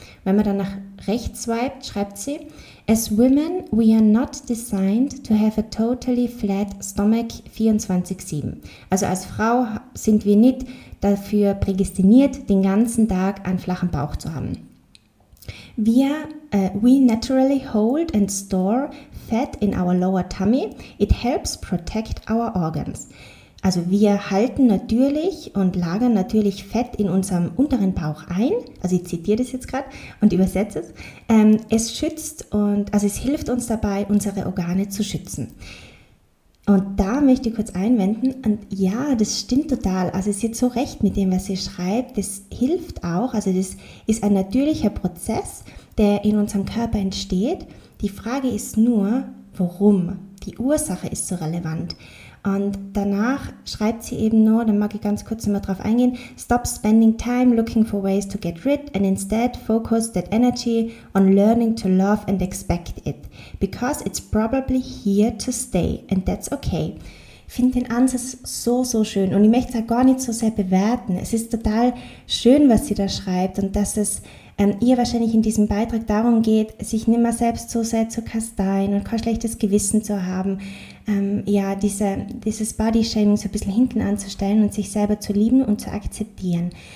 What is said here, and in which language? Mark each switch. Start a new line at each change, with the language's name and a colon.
German: Wenn man dann nach rechts swipet, schreibt sie,
English: as women we are not designed to have a totally flat stomach 24/7.
German: Also als Frau sind wir nicht dafür prädestiniert, den ganzen Tag einen flachen Bauch zu haben.
English: We naturally hold and store fat in our lower tummy. It helps protect our organs.
German: Also wir halten natürlich und lagern natürlich Fett in unserem unteren Bauch ein. Also ich zitiere das jetzt gerade und übersetze es. Es hilft uns dabei, unsere Organe zu schützen. Und da möchte ich kurz einwenden. Und ja, das stimmt total. Also sie hat so recht mit dem, was sie schreibt. Das hilft auch. Also das ist ein natürlicher Prozess, der in unserem Körper entsteht. Die Frage ist nur, warum? Die Ursache ist so relevant. Und danach schreibt sie eben nur, dann mag ich ganz kurz nochmal drauf eingehen,
English: stop spending time looking for ways to get rid and instead focus that energy on learning to love and expect it. Because it's probably here to stay and that's okay.
German: Ich finde den Ansatz so, so schön und ich möchte es auch gar nicht so sehr bewerten. Es ist total schön, was sie da schreibt und dass es ihr wahrscheinlich in diesem Beitrag darum geht, sich nicht mehr selbst so sehr zu kasteien und kein schlechtes Gewissen zu haben, dieses Body-Shaming so ein bisschen hinten anzustellen und sich selber zu lieben und zu akzeptieren.